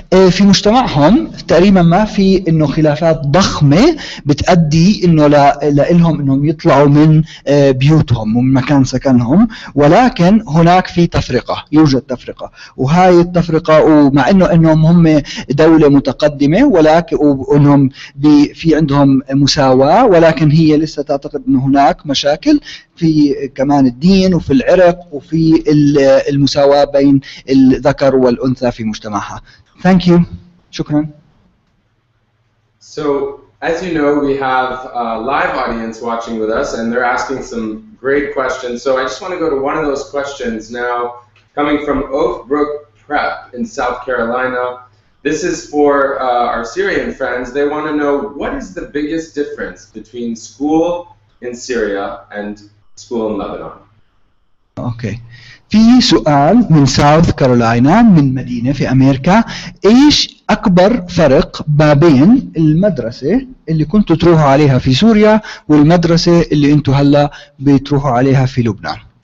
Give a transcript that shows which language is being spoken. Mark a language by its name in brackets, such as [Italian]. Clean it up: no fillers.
[Arabic] في مجتمعهم تقريبا ما في إنه خلافات ضخمة بتأدي إنه لإلهم إنهم يطلعوا من بيوتهم ومن مكان سكنهم، ولكن هناك في تفرقة، يوجد تفرقة، وهاي التفرقة ومع إنه إنهم هم دولة متقدمة ولكن وإنهم في عندهم مساواة، ولكن هي لسه تعتقد إنه هناك مشاكل في كمان الدين وفي العرق وفي المساواة بين الذكر والأنثى في مجتمعها. [English] Thank you. [Arabic] شكرا. [English] So, as you know, we have a live audience watching with us and they're asking some great questions. So I just want to go to one of those questions now, coming from Oak Brook Prep in South Carolina. This is for our Syrian friends. They want to know, what is the biggest difference between school in Syria and school in Lebanon. Okay. [Arabic] في سؤال من ساوث كارولاينا من مدينة في أمريكا، إيش أكبر فرق ما بين المدرسة اللي كنتوا تروحوا عليها في سوريا والمدرسة اللي أنتوا هلا بتروحوا عليها في لبنان؟